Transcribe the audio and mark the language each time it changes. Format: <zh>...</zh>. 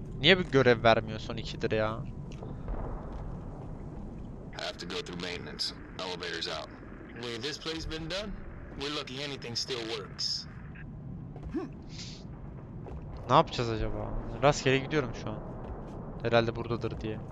<tr>Niye bir görev vermiyorsun ikidir ya?</tr> <en>Have to go through maintenance. Elevator's out. Where this place been done? We're lucky anything still works.</en> <tr>Ne yapacağız acaba? Rastgele gidiyorum şu an. Herhalde buradadır diye.</tr>